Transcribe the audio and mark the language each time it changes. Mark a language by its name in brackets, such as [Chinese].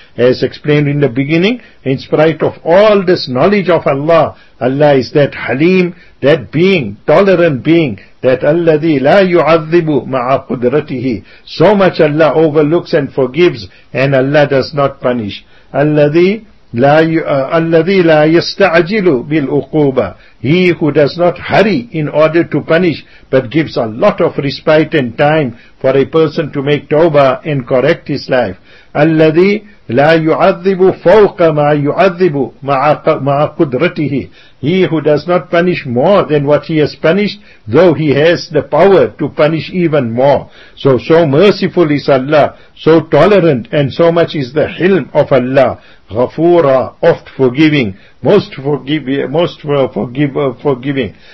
[English] As explained in the beginning, in spite of all this knowledge of Allah, Allah is that Haleem, that being, tolerant being, that [Arabic] الَّذِي لَا يُعَذِّبُ مَعَ قُدْرَتِهِ. [English] So much Allah overlooks and forgives, and Allah does not punish. [Arabic] الَّذِي الذي لا يستعجل بالعقوبة. [English] He who does not hurry in order to punish, but gives a lot of respite and time for a person to make tawbah and correct his life. [Arabic] الذي لا يعذب فوق ما يعذب مع قدرته. [English] He who does not punish more than what he has punished, though he has the power to punish even more. So merciful is Allah, so tolerant, and so much is the hilm of Allah. Ghafura, oft forgiving, most forgiving.